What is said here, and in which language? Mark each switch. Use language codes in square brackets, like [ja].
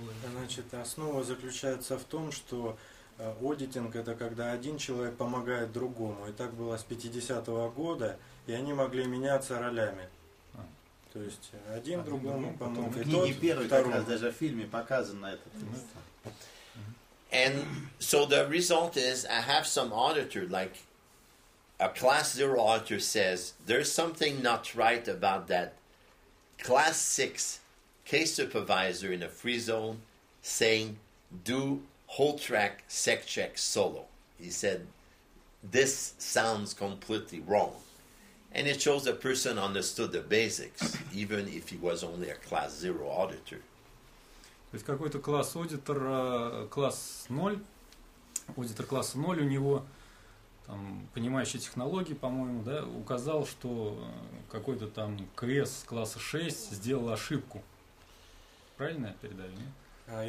[ru] Значит, основа заключается в том, что аудитинг – это когда один человек помогает другому. И так было с 50-го года, и они могли меняться ролями. То есть один другому помог, и тот первый, второму. В книге первой, даже в фильме показано это. [en] And so the result is, I have some auditor, like a class zero auditor says, there's something not right about that class six case supervisor in a free zone saying, do whole track sec check solo. He said, this sounds completely wrong. And it shows the person understood the basics, even if he was only a class zero auditor. [ru] То есть какой-то класс аудитор, класс 0, аудитор класса 0, у него там понимающие технологии, по-моему, да, указал, что какой-то там квест класса 6 сделал ошибку. Правильно я передаю, нет?